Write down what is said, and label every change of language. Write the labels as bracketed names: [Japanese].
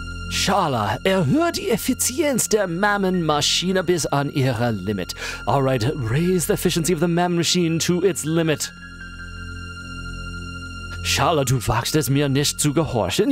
[German] Schala, erhöhe die Effizienz der Mammon-Maschine bis an ihre Limit. [English] Alright, raise the efficiency of the Mammon-Machine to its limit. [German] Schala, du wagst es mir nicht zu gehorchen.